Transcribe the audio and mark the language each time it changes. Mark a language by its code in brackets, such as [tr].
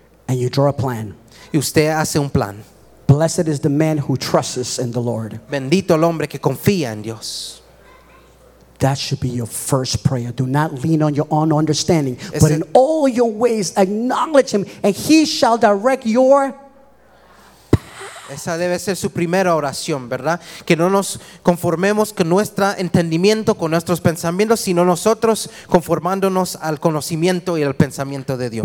[en] And you draw a plan. [es] Y usted hace un plan. [en] Blessed is the man who trusts in the Lord. [es] Bendito el hombre que confía en Dios. [en] That should be your first prayer. Do not lean on your own understanding, but in all your ways acknowledge him, and he shall direct your [es] Esa debe ser su primera oración, ¿verdad? Que no nos conformemos con nuestro entendimiento, con nuestros pensamientos, sino nosotros conformándonos al conocimiento y al pensamiento de Dios.